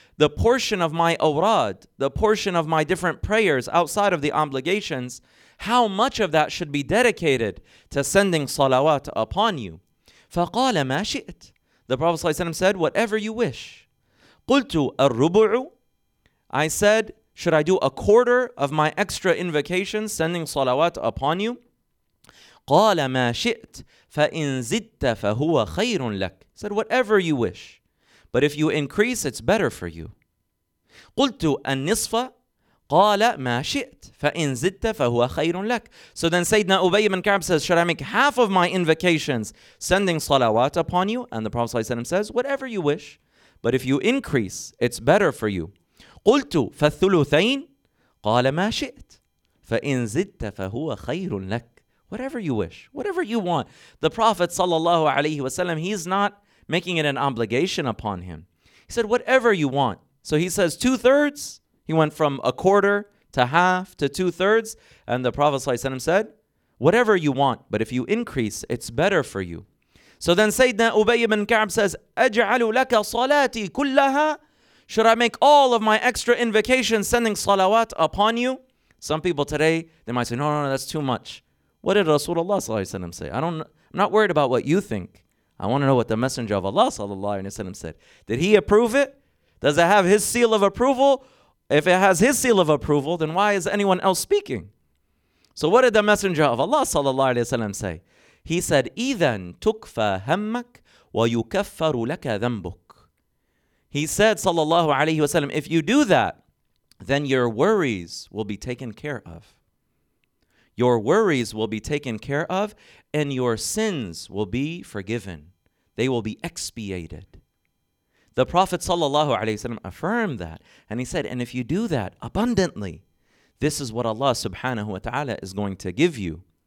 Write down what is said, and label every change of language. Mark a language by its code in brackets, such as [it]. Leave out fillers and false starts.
[en] The portion of my awrad, the portion of my different prayers outside of the obligations, how much of that should be dedicated to sending salawat upon you? [ar] فَقَالَ مَا شِئْتْ [en] The Prophet ﷺ said, whatever you wish. [ar] قُلْتُ الرُّبُعُ [en] I said, should I do a quarter of my extra invocations sending salawat upon you? [ar] قَالَ مَا شِئْتْ فَإِن زِدْتَ فَهُوَ خَيْرٌ لَكْ [en] said, whatever you wish. But if you increase, it's better for you. [ar] قُلْتُ النِّصْفَ قَالَ مَا شِئْتْ فَإِنْ زِدْتَ فَهُوَ خَيْرٌ لَكْ [en] So then Sayyidina Ubay ibn Ka'b says, should I make half of my invocations sending salawat upon you? And the Prophet ﷺ says, whatever you wish, but if you increase, it's better for you. [ar] قُلْتُ فَالثُّلُثَيْنِ قَالَ مَا شِئْتْ فَإِنْ زِدْتَ فَهُوَ خَيْرٌ لَكْ [en] Whatever you wish, whatever you want. The Prophet ﷺ, he's not making it an obligation upon him. He said, whatever you want. So he says, two-thirds? He went from a quarter to half to two-thirds. And the Prophet ﷺ said, whatever you want, but if you increase, it's better for you. So then Sayyidina Ubay ibn Ka'b says, [ar] أَجْعَلُ لَكَ صَلَاتِي كُلَّهَا. [en] Should I make all of my extra invocations sending salawat upon you? Some people today, they might say, no, no, no, that's too much. What did Rasulullah صلى الله عليه وسلم say? I'm not worried about what you think. I want to know what the Messenger of Allah صلى الله عليه وسلم said. Did he approve it? Does it have his seal of approval? If it has his seal of approval, then why is anyone else speaking? So what did the Messenger of Allah صلى الله عليه وسلم say? He said, [ar] إِذَن تُكْفَى هَمَّكْ وَيُكَفَّرُ لَكَ ذَنْبُكْ. [en] He said, صلى الله عليه وسلم, if you do that, then your worries will be taken care of. Your worries will be taken care of, and your sins will be forgiven. They will be expiated. The Prophet sallallahu alaihi wasallam affirmed that, and he said, and if you do that abundantly, this is what Allah subhanahu wa ta'ala is going to give you.